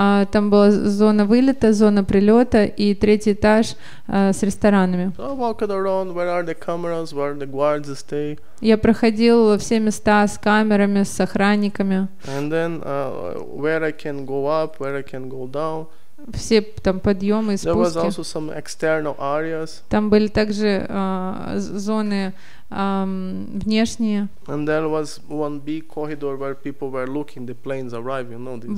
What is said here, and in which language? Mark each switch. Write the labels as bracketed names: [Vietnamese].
[Ukrainian] Там була зона вильота, зона прильота і третій етаж з ресторанами. [English] So I walked around, where are the cameras, where the guards stay. [Ukrainian] Я проходил всі міста з камерами, з охранниками. [English] And then where I can go up, where I can go down. [Ukrainian] Всі там підйоми і спуски. [English] There was also some external areas. [Ukrainian] Там були також зони внешні. [English] And there was one big corridor where people were looking the planes arrive, you know, this.